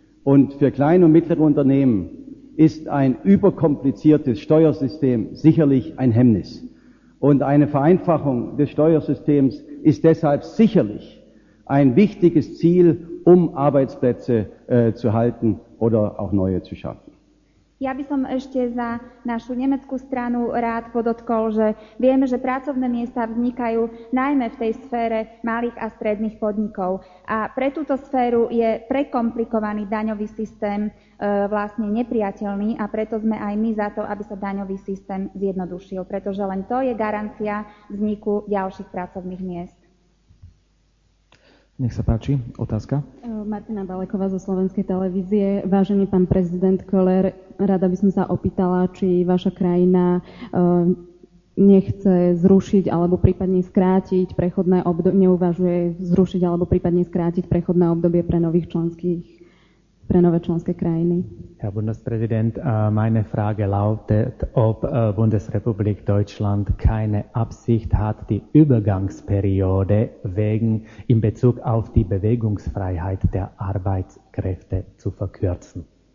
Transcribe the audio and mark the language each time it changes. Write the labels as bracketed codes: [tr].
[de] Und für kleine und mittlere Unternehmen ist ein überkompliziertes Steuersystem sicherlich ein Hemmnis. Und eine Vereinfachung des Steuersystems ist deshalb sicherlich ein wichtiges Ziel, um Arbeitsplätze zu halten oder auch neue zu schaffen. [sk] Ja by som ešte za našu nemeckú stranu rád podotkol, že vieme, že pracovné miesta vznikajú najmä v tej sfére malých a stredných podnikov. A pre túto sféru je prekomplikovaný daňový systém vlastne nepriateľný, a preto sme aj my za to, aby sa daňový systém zjednodušil. Pretože len to je garancia vzniku ďalších pracovných miest. Nech sa páči, otázka. Martina Baleková zo Slovenskej televízie. Vážený pán prezident Köhler, rada by som sa opýtala, či vaša krajina nechce zrušiť alebo prípadne skrátiť prechodné obdobie, neuvažuje zrušiť alebo prípadne skrátiť prechodné obdobie pre nových členských, pre nové členské krajiny. [de] Herr Bundespräsident, meine Frage lautet, ob Bundesrepublik Deutschland keine Absicht hat, die Übergangsperiode wegen in Bezug auf die Bewegungsfreiheit der Arbeitskräfte zu verkürzen.